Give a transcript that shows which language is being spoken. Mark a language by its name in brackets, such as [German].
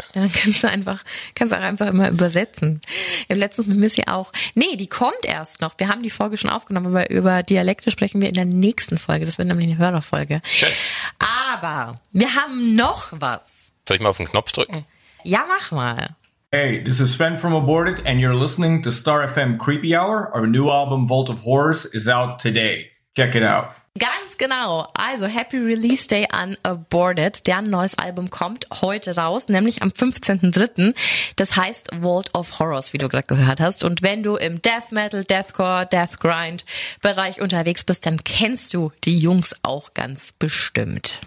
[German] Dann kannst du auch einfach immer übersetzen. Im letzten Mal müssen wir auch, nee, die kommt erst noch. Wir haben die Folge schon aufgenommen, aber über Dialekte sprechen wir in der nächsten Folge. Das wird nämlich eine Hörerfolge. Schön. Aber wir haben noch was. Soll ich mal auf den Knopf drücken? Ja, mach mal. [English] Hey, this is Sven from Aborted, and you're listening to Star FM Creepy Hour. Our new album, Vault of Horrors, is out today. Check it out. [German] Ganz genau. Also, [English] Happy Release Day [German] an Aborted. Deren neues Album kommt heute raus, nämlich am 15.03. Das heißt Vault of Horrors, wie du gerade gehört hast. Und wenn du im Death Metal, Deathcore, Death Grind Bereich unterwegs bist, dann kennst du die Jungs auch ganz bestimmt.